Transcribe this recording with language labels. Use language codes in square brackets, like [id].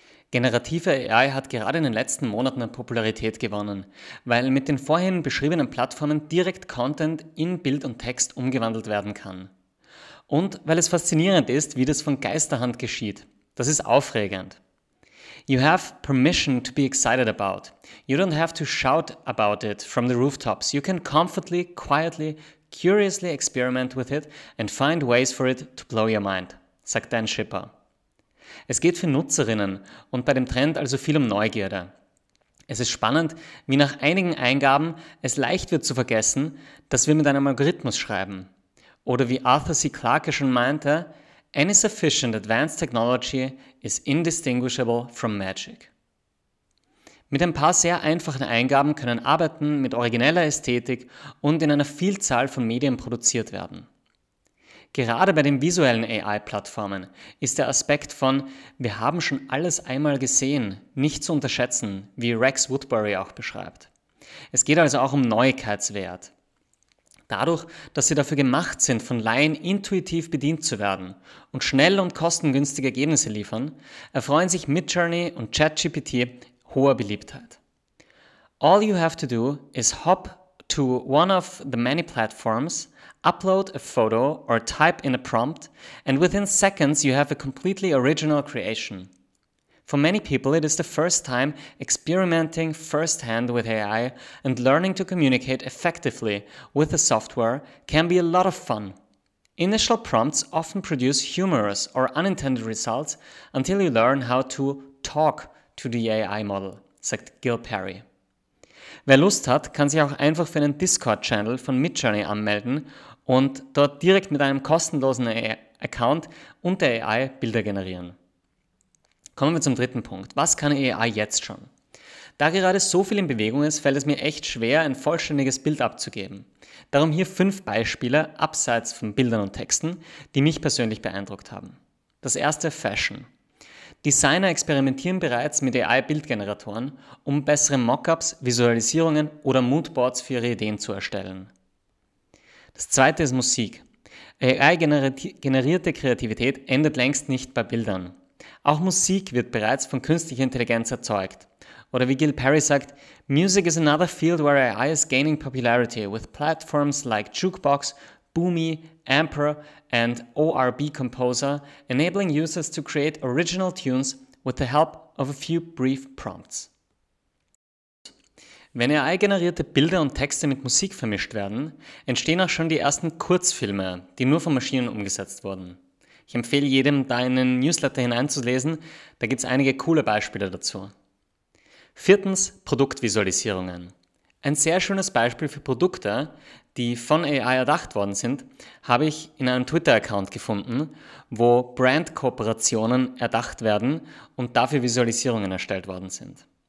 [de] Generative AI hat gerade in den letzten Monaten an Popularität gewonnen, weil mit den vorhin beschriebenen Plattformen direkt Content in Bild und Text umgewandelt werden kann. Und weil es faszinierend ist, wie das von Geisterhand geschieht. Das ist aufregend. [en] You have permission to be excited about. You don't have to shout about it from the rooftops. You can comfortably, quietly, curiously experiment with it and find ways for it to blow your mind, [de] sagt [en] Dan Schipper. [de] Es geht für Nutzerinnen und bei dem Trend also viel um Neugierde. Es ist spannend, wie nach einigen Eingaben es leicht wird zu vergessen, dass wir mit einem Algorithmus schreiben. Oder wie Arthur C. [en] Clarke [de] schon meinte, [en] any sufficient advanced technology is indistinguishable from magic. [de] Mit ein paar sehr einfachen Eingaben können Arbeiten mit origineller Ästhetik und in einer Vielzahl von Medien produziert werden. Gerade bei den visuellen AI-Plattformen ist der Aspekt von wir haben schon alles einmal gesehen nicht zu unterschätzen, wie Rex Woodbury auch beschreibt. Es geht also auch um Neuigkeitswert. Dadurch, dass sie dafür gemacht sind, von Laien intuitiv bedient zu werden und schnell und kostengünstige Ergebnisse liefern, erfreuen sich Midjourney und ChatGPT hoher Beliebtheit. [en] All you have to do is hop to one of the many platforms, upload a photo or type in a prompt, and within seconds you have a completely original creation. For many people, it is the first time experimenting firsthand with AI, and learning to communicate effectively with the software can be a lot of fun. Initial prompts often produce humorous or unintended results until you learn how to talk to the AI model, [de] sagt [en] Gil Perry. [de] Wer Lust hat, kann sich auch einfach für einen Discord-Channel von Midjourney anmelden und dort direkt mit einem kostenlosen Account und der AI Bilder generieren. Kommen wir zum dritten Punkt. Was kann AI jetzt schon? Da gerade so viel in Bewegung ist, fällt es mir echt schwer, ein vollständiges Bild abzugeben. Darum hier fünf Beispiele, abseits von Bildern und Texten, die mich persönlich beeindruckt haben. Das erste, Fashion. Designer experimentieren bereits mit AI-Bildgeneratoren, um bessere Mockups, Visualisierungen oder Moodboards für ihre Ideen zu erstellen. Das zweite ist Musik. AI-generierte Kreativität endet längst nicht bei Bildern. Auch Musik wird bereits von künstlicher Intelligenz erzeugt. Oder wie Gil Perry sagt, [en] Music is another field where AI is gaining popularity with platforms like Jukebox, Boomy, Amper and ORB Composer, enabling users to create original tunes with the help of a few brief prompts. [de] Wenn AI-generierte Bilder und Texte mit Musik vermischt werden, entstehen auch schon die ersten Kurzfilme, die nur von Maschinen umgesetzt wurden. Ich empfehle jedem, da in den Newsletter hineinzulesen, da gibt es einige coole Beispiele dazu. Viertens, Produktvisualisierungen. Ein sehr schönes Beispiel für Produkte, die von AI erdacht worden sind, habe ich in einem Twitter-Account gefunden, wo Brand-Kooperationen erdacht werden und dafür Visualisierungen erstellt worden sind.